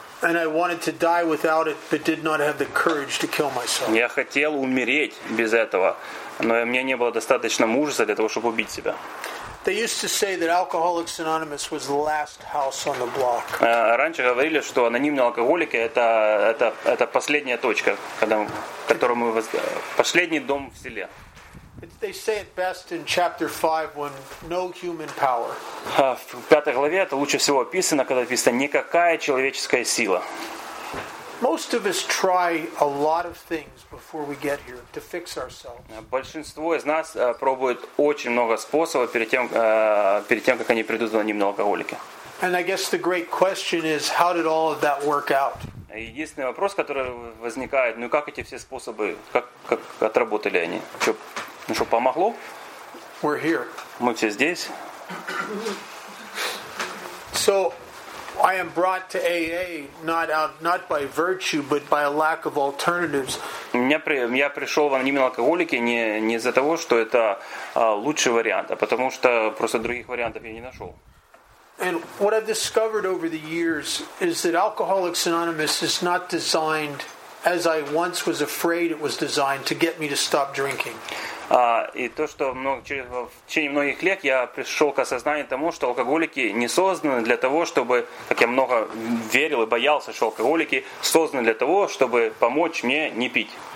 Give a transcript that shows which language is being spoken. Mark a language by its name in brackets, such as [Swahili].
[Russian] Я хотел умереть без этого, но у меня не было достаточно мужества для того, чтобы убить себя. [English] They used to say that Alcoholics Anonymous was the last house on the block. [Russian] Раньше говорили, что анонимные алкоголики это последняя точка, когда которую мы последний дом в селе. [English] They say it best in chapter 5 when no human power. [Russian] В пятой главе это лучше всего описано, когда написано никакая человеческая сила. [English] Most of us try a lot of things before we get here to fix ourselves. [Russian] Большинство из нас пробует очень много способов перед тем, как они придут в анонимные алкоголики. [English] And I guess the great question is, how did all of that work out? [Russian] Единственный вопрос, который возникает, ну как эти все способы, как отработали они? Что, ну что, помогло? [English] We're here. [Russian] Мы все здесь. [English] So I am brought to AA not by virtue, but by a lack of alternatives. [Russian] Я пришел в анонимные алкоголики не из-за того, что это лучший вариант, а потому что просто других вариантов я не нашел. [English] And what I've discovered over the years is that Alcoholics Anonymous is not designed as I once was afraid it was designed to get me to stop drinking. [Russian] И то, что в течение многих лет я пришел к осознанию тому, что алкоголики не созданы для того, чтобы, как я много верил и боялся, что алкоголики созданы для того, чтобы помочь мне не пить.